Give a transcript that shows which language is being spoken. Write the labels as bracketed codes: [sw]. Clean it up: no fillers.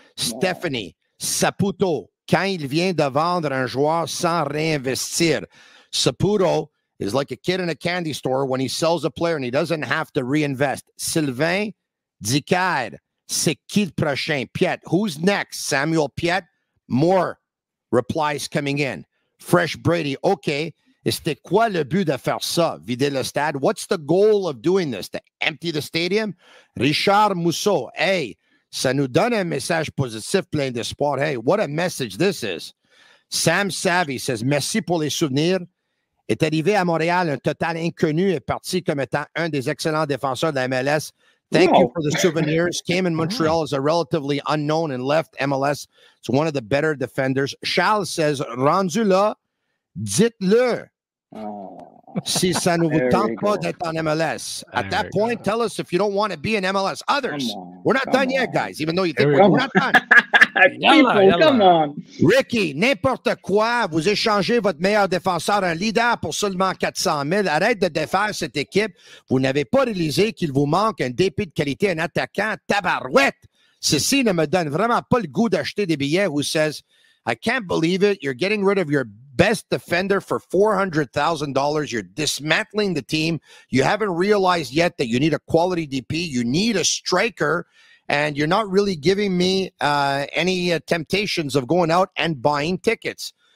[fr] Stephanie, Saputo, quand il vient de vendre un joueur sans réinvestir. [en] Saputo is like a kid in a candy store when he sells a player and he doesn't have to reinvest. [fr] Sylvain Dicard, c'est qui le prochain? [en] Piet, who's next? Samuel Piet, more replies coming in. [fr] Fresh Brady, okay. C'était quoi le but de faire ça? Vider le stade? [en] What's the goal of doing this? To empty the stadium? [fr] Richard Mousseau, hey, ça nous donne un message positif plein d'espoir. [en] Hey, what a message this is. Sam Savvy says, [fr] merci pour les souvenirs. Est arrivé à Montréal un total inconnu et parti comme étant un des excellents défenseurs de la MLS. [en] Thank you for the souvenirs. Came in Montreal as a relatively unknown and left MLS. It's one of the better defenders. Charles says, [fr] rendu là, dites-le. Si ça ne vous tente pas d'être en MLS. [en] At that point, tell us if you don't want to be in MLS. Others, we're not done yet, guys, even though you think we're not done. People, come on. [fr] Ricky, n'importe quoi, vous échangez votre meilleur défenseur, un leader pour seulement 400 000. Arrête de défaire cette équipe. Vous n'avez pas réalisé qu'il vous manque un DP de qualité, un attaquant, tabarouette. Ceci ne me donne vraiment pas le goût d'acheter des billets. [en] Who says, I can't believe it, you're getting rid of your best defender for $400,000. You're dismantling the team. You haven't realized yet that you need a quality DP. You need a striker. And you're not really giving me any temptations of going out and buying tickets.